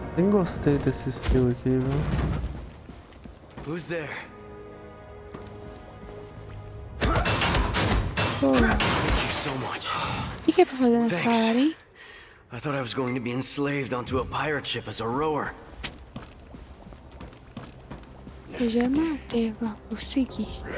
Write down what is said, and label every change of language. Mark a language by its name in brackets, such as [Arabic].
[Portuguese] Gostei desse skill aqui, viu? [English] Who's there? Thank you so much. [Portuguese] O que é pra fazer nessa área? [English] I thought I was going to be enslaved onto a pirate ship as a rower. [Portuguese] Eu já matei, vou conseguir.